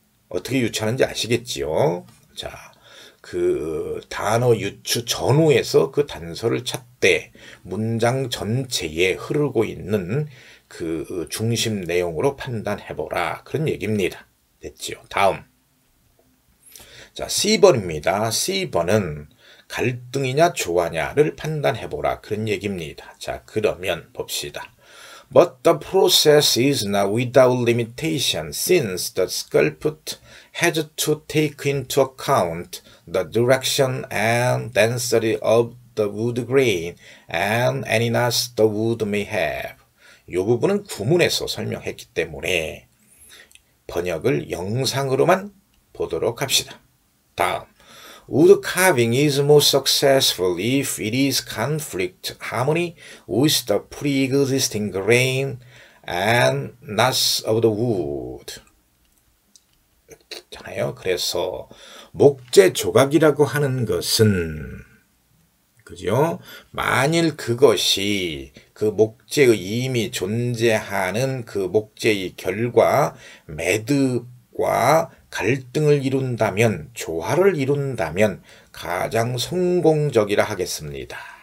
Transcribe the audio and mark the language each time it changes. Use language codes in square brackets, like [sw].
[ko] 어떻게 유추하는지 아시겠지요? 자, 그 단어 유추 전후에서 그 단서를 찾되 문장 전체에 흐르고 있는 그 중심 내용으로 판단해보라. 그런 얘기입니다. 됐지요. 다음. 자, C번입니다. C번은 갈등이냐 조화냐를 판단해보라. 그런 얘기입니다. 자, 그러면 봅시다. [en] But the process is not without limitation since the sculpture has to take into account the direction and density of the wood grain and any knots the wood may have. [ko] 이 부분은 구문에서 설명했기 때문에 번역을 영상으로만 보도록 합시다. 다음. [en] Wood carving is most successful if it is conflict harmony with the pre-existing grain and knots of the wood. [ko] 있잖아요. 그래서 목재 조각이라고 하는 것은 그죠? 만일 그것이 그 목재의 이미 존재하는 그 목재의 결과, 매듭과 갈등을 이룬다면, 조화를 이룬다면 가장 성공적이라 하겠습니다.